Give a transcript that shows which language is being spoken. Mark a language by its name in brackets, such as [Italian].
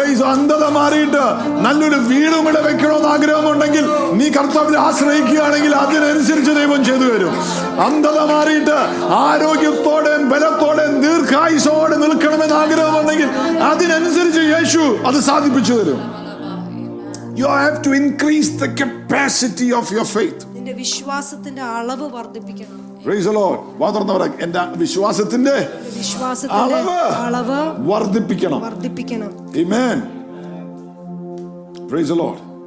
[Malayalam] അന്ധത മാറിയിട്ട് നല്ലൊരു വീടും ഇട വെക്കണമെന്ന് ആഗ്രഹമുണ്ടെങ്കിൽ നീ കർത്താവിൽ ആശ്രയിക്കുകയാണെങ്കിൽ അതിനനുസരിച്ച് ദൈവം ചെയ്തു തരും. അന്ധത മാറിയിട്ട് ആരോഗ്യത്തോടെയും ബലത്തോടെയും ദീർഘായുസോടെ നിൽക്കണമെന്ന് ആഗ്രഹമുണ്ടെങ്കിൽ അതിനനുസരിച്ച് യേശു അത് സാധിപ്പിച്ചു തരും. [English] You have to increase the capacity of your faith. [Malayalam] നിന്റെ വിശ്വാസത്തിന്റെ അളവ് വർദ്ധിപ്പിക്കണം. Praise the Lord. വാദർന്നവരെ, എന്റെ വിശ്വാസത്തിന്റെ അളവ് വർദ്ധിപ്പിക്കണം. ആമേൻ. Praise the Lord.